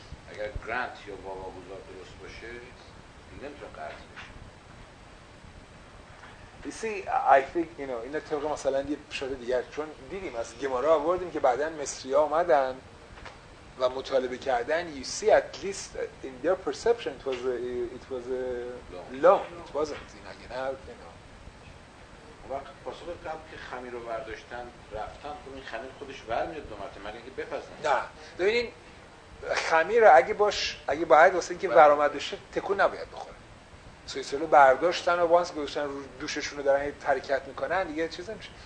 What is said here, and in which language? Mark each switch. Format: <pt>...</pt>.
<fa>اگر گرانت یا واگذار درست باشه نمیتونه قرض بشه.</fa> <en>You see, I think, you know,</en> <fa>این طبق مثلا یه شده دیگر، چون دیدیم از گمارا آوردیم که بعدا مصری ها آمدن و مطالبه کردن.</fa> <en>You see, at least in their perception, it was a loan. It wasn't, you know.</en> <fa>وقت پاسخ قبل که خمیر رو برداشتن رفتن، این خمیر خودش برمیاد دو مرتبه مگه اینکه بپزن؟ نه، ببینین خمیر رو اگه باید واسه اینکه برآمد بشه تکون نباید بخوره. سویسلو برداشتن و وانس گذاشتن رو دوششون رو دارن یه حرکت میکنن دیگه چیز نمیشه.</fa>